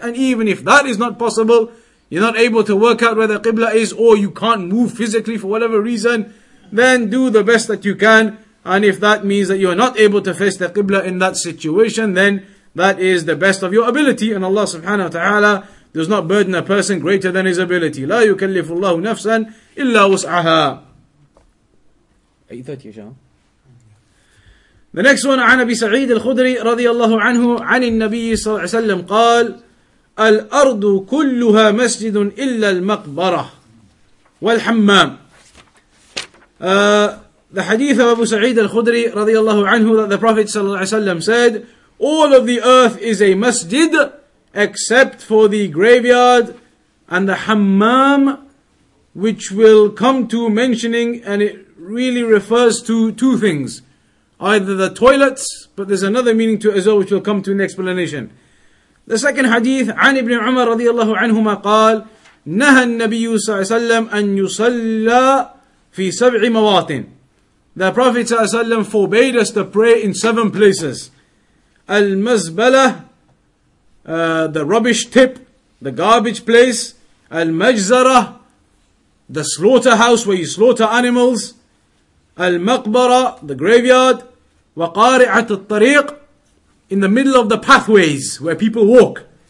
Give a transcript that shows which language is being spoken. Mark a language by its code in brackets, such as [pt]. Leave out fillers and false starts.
[en] And even if that is not possible, you're not able to work out where the Qibla is, or you can't move physically for whatever reason, then do the best that you can. And if that means that you're not able to face the Qibla in that situation, then that is the best of your ability. And Allah subhanahu wa ta'ala does not burden a person greater than his ability. [ar] لا يكلف الله نفسا إلا وسعها. [en] 8:30, John. The next one, [ar] عن أبي سعيد الخدري رضي الله عنه عن النبي صلى الله عليه وسلم قال الأرض كلها مسجد إلا المقبرة والحمام. [en] The hadith of Abu Sa'id al-Khudri [ar] رضي الله عنه [en] that the Prophet [ar] صلى الله عليه وسلم [en] said, all of the earth is a masjid except for the graveyard and the hammam, which will come to mentioning, and it really refers to two things. Either the toilets, but there's another meaning to it as well, which will come to in the explanation. The second hadith, [ar] عن ابن عمر رضي الله عنهما قال نهى النبي صلى الله عليه وسلم أن يصلى في سبع مواطن. [en] The Prophet [ar] صلى الله عليه وسلم [en] forbade us to pray in seven places. المزبلة, the rubbish tip, the garbage place, المجزرة, the slaughterhouse where you slaughter animals, المقبرة, the graveyard, [ar] وقارعة الطريق, [en] in the middle of the pathways where people walk,